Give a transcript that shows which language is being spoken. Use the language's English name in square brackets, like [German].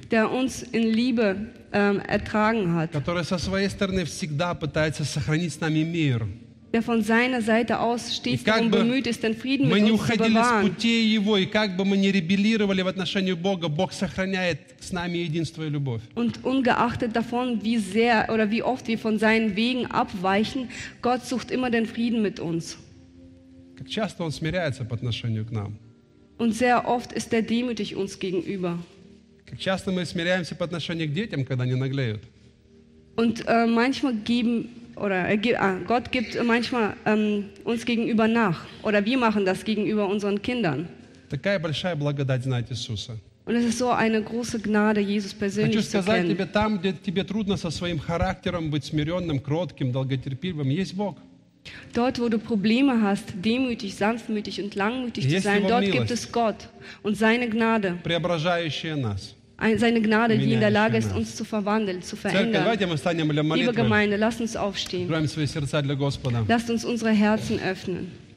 [German] Der uns in Liebe ertragen hat. [Russian] Который со своей стороны всегда пытается сохранить с нами мир. [German] Der von seiner Seite aus stets darum bemüht ist, den Frieden mit uns zu bewahren. [Russian] Мы не уходили с пути его, и как бы мы не ребелировали в отношении Бога, Бог сохраняет с нами единство и любовь. [German] Und ungeachtet davon, wie sehr oder wie oft wir von seinen Wegen abweichen, Gott sucht immer den Frieden mit uns. [Russian] Как часто он смиряется по отношению к нам. [German] Und sehr oft ist er demütig uns gegenüber. [Russian] Как часто мы смиряемся по отношению к детям, когда они наглеют. [German] Und manchmal geben oder Gott gibt manchmal uns gegenüber nach oder wir machen das gegenüber unseren Kindern. [Russian] Такая большая благодать знать Иисуса. [German] Und es ist so eine große Gnade, Jesus persönlich [Russian] Хочу сказать [German] zu kennen. [Russian] Тебе там, где тебе трудно со своим характером быть смиренным, кротким, долготерпеливым, есть Бог. [German] Dort, wo du Probleme hast, demütig, sanftmütig und langmütig zu sein, dort gibt es Gott und seine Gnade. [Russian] Преображающая нас. [German] Seine Gnade, die in der Lage ist, uns zu verwandeln, zu verändern. Liebe Gemeinde, lasst uns aufstehen. Lasst uns unsere Herzen öffnen.